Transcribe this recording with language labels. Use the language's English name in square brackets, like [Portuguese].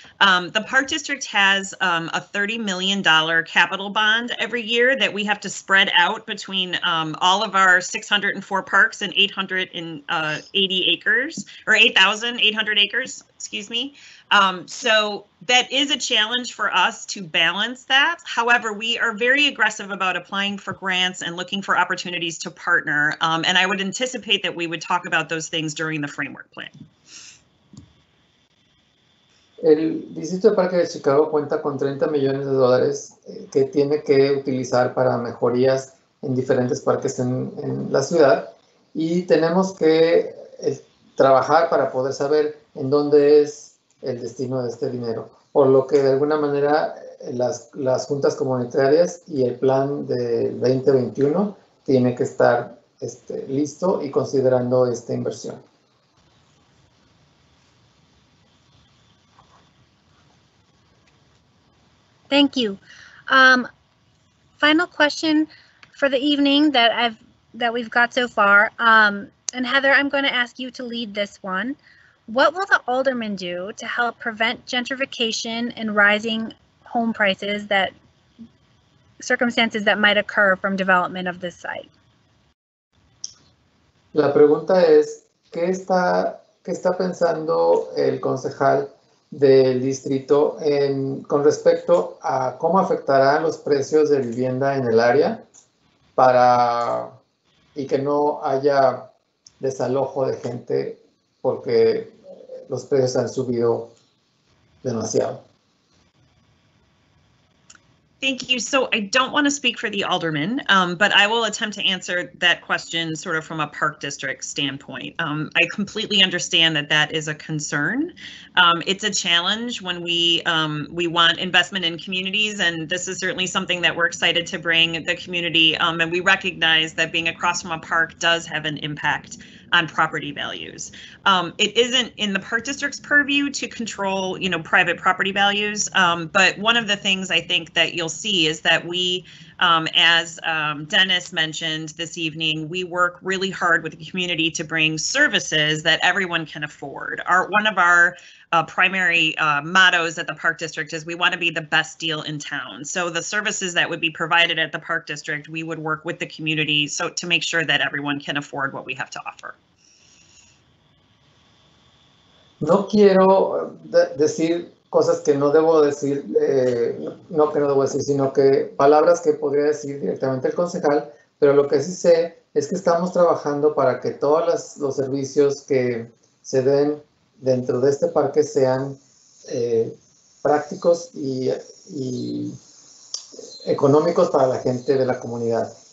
[English] The Park District has a $30 million capital bond every year that we have to spread out between all of our 604 parks and 8,800 acres. Excuse me. So that is a challenge for us to balance that. However, we are very aggressive about applying for grants and looking for opportunities to partner. And I would anticipate that we would talk about those things during the framework plan. [Spanish] El Distrito de Parque de Chicago cuenta con $30 millones que tiene que utilizar para mejorías en diferentes parques en la ciudad. Y tenemos que trabajar para poder saber en dónde es el destino de este dinero, por lo que de alguna manera las juntas comunitarias y el plan de 2021 tiene que estar listo y considerando esta inversión. [English] Thank you. Final question for the evening that we've got so far. And Heather, I'm going to ask you to lead this one. What will the aldermen do to help prevent gentrification and rising home prices, that circumstances that might occur from development of this site? [Spanish] La pregunta es, ¿qué está pensando el concejal del distrito con respecto a cómo afectará los precios de vivienda en el área para y que no haya desalojo de gente porque los precios han subido demasiado? [English] Thank you. So I don't want to speak for the alderman, but I will attempt to answer that question sort of from a park district standpoint. I completely understand that is a concern. It's a challenge when we want investment in communities, and this is certainly something that we're excited to bring the community. And we recognize that being across from a park does have an impact on property values. It isn't in the park district's purview to control, private property values. But one of the things I think that you'll you'll see is that we, as Dennis mentioned this evening, we work really hard with the community to bring services that everyone can afford. One of our primary mottos at the Park District is we want to be the best deal in town. So the services that would be provided at the Park District, we would work with the community so to make sure that everyone can afford what we have to offer. [Spanish] No quiero decir cosas que no debo decir, no que no debo decir, sino que palabras que podría decir directamente el concejal, pero lo que sí sé es que estamos trabajando para que todos los servicios que se den dentro de este parque sean prácticos y económicos para la gente de la comunidad.